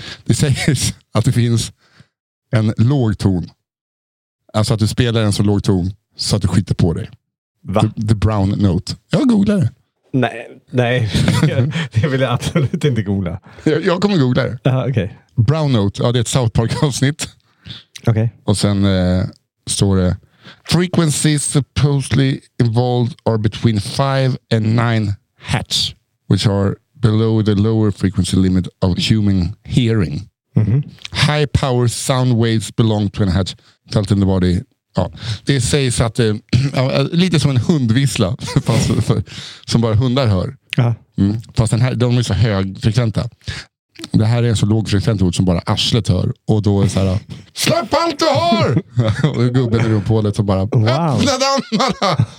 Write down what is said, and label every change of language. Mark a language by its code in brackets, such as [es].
[sv] Det sägs att det finns en låg ton. Alltså att du spelar en så låg ton så att du skiter på dig. Va? The Brown Note. Jag googlar det. Nej. Det vill jag absolut inte googla. Jag kommer googla det. Okay. Brown Note. Ja, det är ett South Park-avsnitt. Okay. Och sen står det [en] frequencies supposedly involved are between 5 and 9 hertz, which are below the lower frequency limit of human hearing. Mm-hmm. High power sound waves belong to a hertz felt in the body. [sv] Ja, det sägs att det lite som en hundvissla som bara hundar hör. Mm. Fast den här, de är så högfrekventa. Det här är en så lågfrekvent ord som bara arslet hör. Och då är det så här, släpp allt du har! Och gubben i rumpålet som bara, öppna dammarna!